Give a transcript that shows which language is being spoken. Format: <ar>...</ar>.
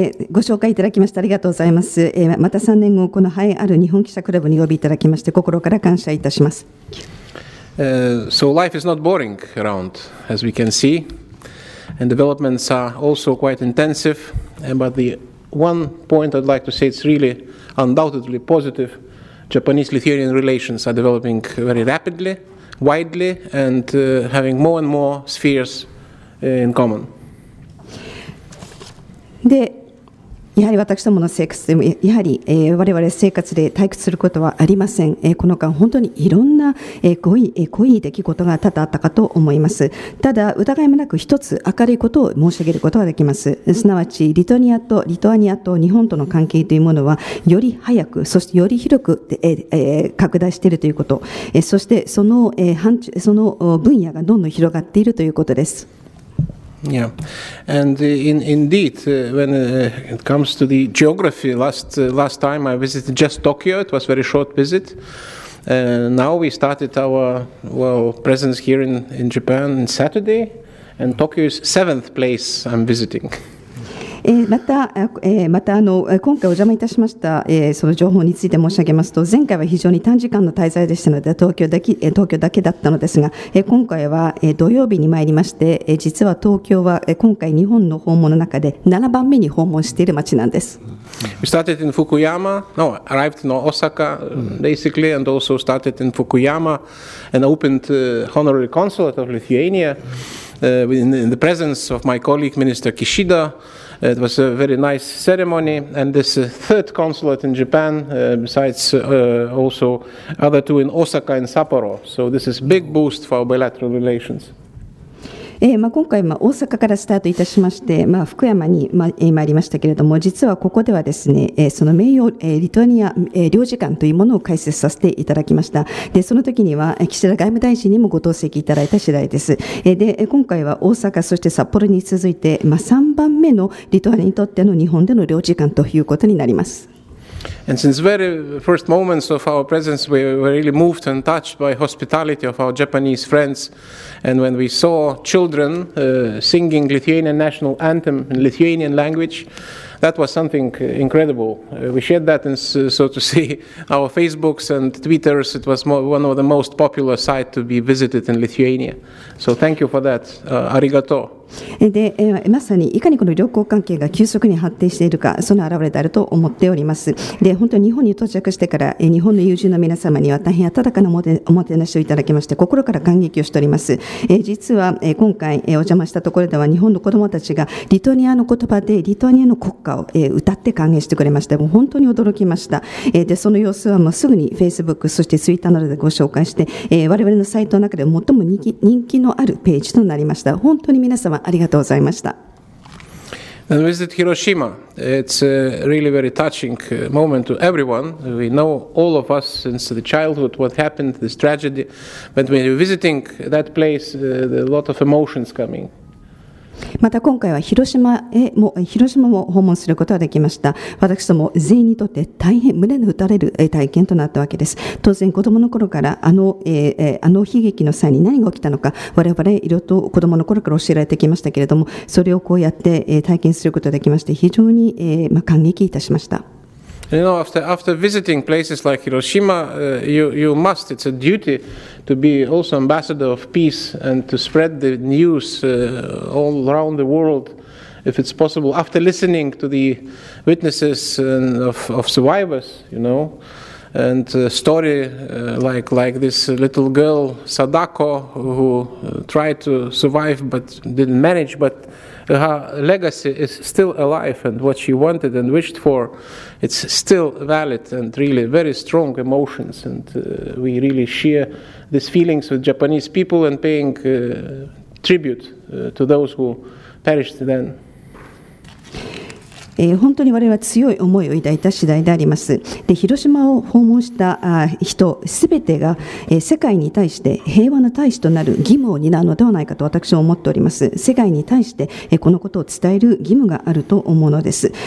<ja>ご紹介いただきましてありがとうございます。また3年後この栄えある日本記者クラブに呼びいただきまして心から感謝いたします。</ja> <en>So life is not boring around, as we can see, and developments are also quite intensive, but theOne point I'd like to say, it's really undoubtedly positive. Japanese-Lithuanian relations are developing very rapidly, widely, and having more and more spheres in common.</en> <ja>でやはり私どもの生活でもやはり、我々生活で退屈することはありません。この間本当にいろんな、濃い出来事が多々あったかと思います。ただ疑いもなく一つ明るいことを申し上げることができます。すなわちリトアニアと日本との関係というものはより早く、そしてより広く、拡大しているということ、そしてその、その分野がどんどん広がっているということです。</ja> <en>Yeah, and indeed, when it comes to the geography, last time I visited just Tokyo, it was a very short visit. Now we started our presence here in Japan on Saturday, and Tokyo is 7th place I'm visiting.</en> <ja>また今回お邪魔いたしました、その情報について申し上げますと、前回は非常に短時間の滞在でしたので東京だけだったのですが、今回は土曜日に参りまして、実は東京は今回日本の訪問の中で7番目に訪問している町なんです。</ja> <en>We started in Fukuyama, no, arrived in Osaka basically, and also started in Fukuyama and opened honorary consulate of Lithuania in the presence of my colleague Minister KishidaIt was a very nice ceremony, and this third consulate in Japan, besides also other two in Osaka and Sapporo. So this is a big boost for our bilateral relations.</en> <ja>今回大阪からスタートいたしまして福山に参りましたけれども、実はここではですね、その名誉リトアニア領事館というものを開設させていただきました。でその時には岸田外務大臣にもご同席いただいた次第です。で今回は大阪そして札幌に続いて3番目のリトアニアにとっての日本での領事館ということになります。</ja> <en>And since very first moments of our presence, we were really moved and touched by hospitality of our Japanese friends. And when we saw children singing Lithuanian national anthem in Lithuanian language, that was something incredible. We shared that in, so to say, our Facebooks and Twitters. It was one of the most popular sites to be visited in Lithuania. So thank you for that. Arigato.</en> <ja>でまさにいかにこの両国関係が急速に発展しているかその表れであると思っております。で本当に日本に到着してから日本の友人の皆様には大変温かなおもてなしをいただきまして心から感激をしております。実は今回お邪魔したところでは日本の子どもたちがリトアニアの言葉でリトアニアの国歌を歌って歓迎してくれまして、もう本当に驚きました。でその様子はもうすぐに Facebook そして Twitter などでご紹介して我々のサイトの中で最も人気のあるページとなりました。本当に皆様ありがとうございました。</ja> <en>And visit Hiroshima. It's a really very touching moment to everyone. We know all of us since the childhood what happened, this tragedy. But when you're visiting that place, there are a lot of emotions coming.</en> <ja>また今回は広島も訪問することができました。私ども全員にとって大変胸の打たれる体験となったわけです。当然子どもの頃からあの悲劇の際に何が起きたのか我々いろいろと子どもの頃から教えられてきましたけれども、それをこうやって体験することができまして非常に感激いたしました。</ja> <en>You know, after visiting places like Hiroshima, you must, it's a duty to be also ambassador of peace and to spread the news all around the world, if it's possible. After listening to the witnesses and of survivors, you know, and a story like this little girl, Sadako, who tried to survive but didn't manage, but... Her legacy is still alive, and what she wanted and wished for, it's still valid and really very strong emotions. And we really share these feelings with Japanese people and paying tribute to those who perished then.</en> <ja>本当に我々は強い思いを抱いた次第であります。で広島を訪問した人すべてが世界に対して平和の大使となる義務を担うのではないかと私は思っております。世界に対してこのことを伝える義務があると思うのです。</ja>